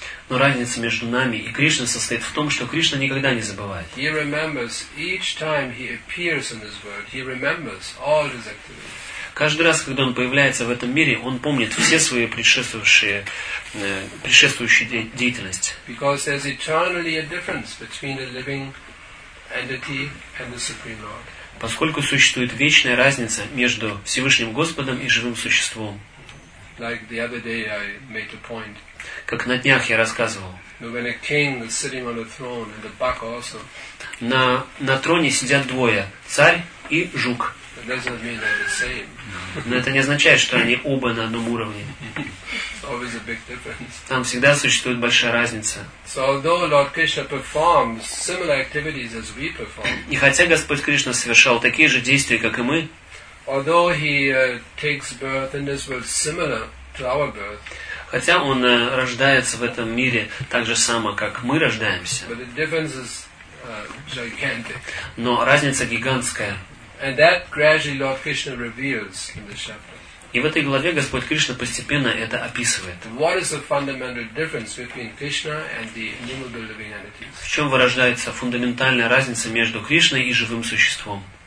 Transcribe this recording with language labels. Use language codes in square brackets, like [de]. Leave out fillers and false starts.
[ru] Но разница между нами и Кришной состоит в том, что Кришна никогда не забывает. [en] He remembers each time he appears in this world, he remembers all his activities. [ru] Каждый раз, когда он появляется в этом мире, он помнит все свои предшествующие деятельности. [en] Because there's eternally a difference between the living entity and the Supreme Lord. [ru] Поскольку существует вечная разница между Всевышним Господом и живым существом. [en] Like the other day I made a point. [ru] Как на днях я рассказывал. [en] When a king is sitting on a throne and the buck also. [ru] На троне сидят двое, царь и жук. [en] It doesn't mean they're the same. [ru] Но это не означает, что они оба на одном уровне. [en] Always a big difference. [ru] Там всегда существует большая разница. [en] So although Lord Krishna performs similar activities as we perform. [ru] И хотя Господь Кришна совершал такие же действия, как и мы. [en] Although he takes birth in this world similar to our birth. [ru] Хотя он рождается в этом мире так же само, как мы рождаемся. [en] But the difference is gigantic. [ru] Но разница гигантская. [en] And that gradually Lord Krishna reveals in this chapter. [ru] И в этой главе Господь Кришна постепенно это описывает. [en] What is the fundamental difference between Krishna and the innumerable living entities? [ru] В чем выражается фундаментальная разница между Кришной и живым существом?